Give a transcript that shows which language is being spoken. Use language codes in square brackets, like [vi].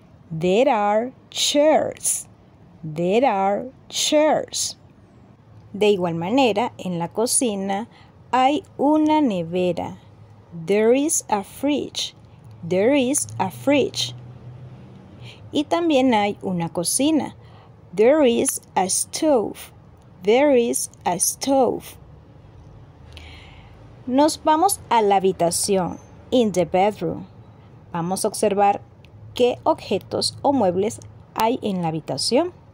[en] There are chairs, there are chairs. [es] De igual manera, en la cocina hay una nevera. [en] There is a fridge, there is a fridge. [es] Y también hay una cocina. [en] There is a stove. There is a stove. [es] Nos vamos a la habitación, [en] in the bedroom. [es] Vamos a observar qué objetos o muebles hay en la habitación.